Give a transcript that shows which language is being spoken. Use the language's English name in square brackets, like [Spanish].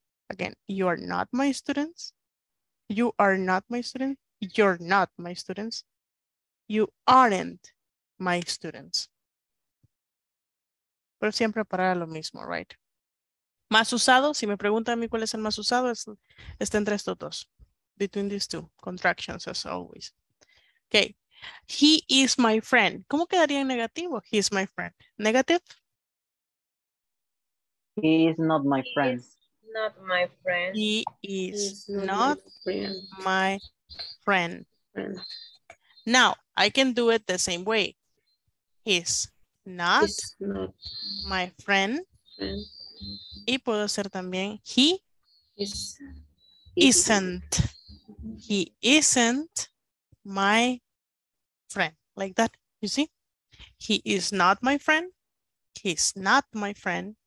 [English] Again, you are not my students, you are not my students, you're not my students, you aren't my students. [Spanish] pero siempre para lo mismo, right? Más usado, si me preguntan a mí cuál es el más usado, está entre estos dos. [English] Between these two, contractions as always. Okay, he is my friend. [Spanish] ¿Cómo quedaría en negativo? [English] He is my friend. Negative. He is not my friend. He is not my friend. Now, I can do it the same way. He's not my friend. [Spanish] Y puedo hacer también [English] he isn't my friend. Like that, you see? He is not my friend. He's not my friend.